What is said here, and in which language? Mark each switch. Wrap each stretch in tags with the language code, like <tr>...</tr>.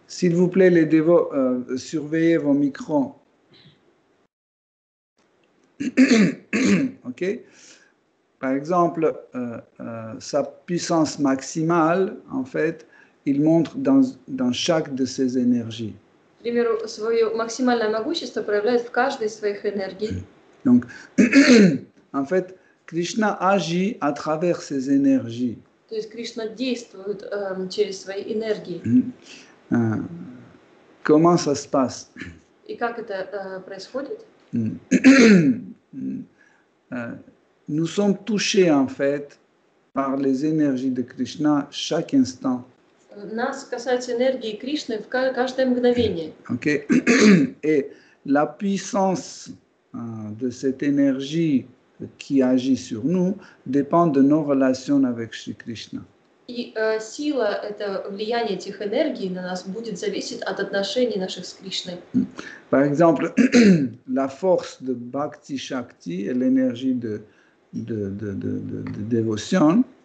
<fr>S'il vous plaît, les dévots, surveillez vos micros. OK? Par exemple, sa puissance maximale, en fait, il montre dans chaque de ses énergies.</fr> <ru>Например, свое максимальное могущество проявляет в каждой из своих энергий.</ru> <fr>Donc, en fait, Krishna agit à travers ses énergies.</fr> <ru>То есть Кришна действует через свои энергии.</ru> <fr>Comment ça se passe?</fr> <ru>И как это происходит?</ru> <fr>Nous sommes touchés en fait par les énergies de Krishna chaque instant.</fr> <ru>Нас касается энергии Кришны в каждое мгновение. OK.</ru> <fr>Et la puissance de cette énergie qui agit sur nous dépend de nos relations avec Shri Krishna.</fr> <ru>И сила это влияние этих энергий на нас будет зависеть от отношений наших с Кришной.</ru> <fr>Par exemple, la force de Bhakti Shakti et l'énergie de dévotion.</fr>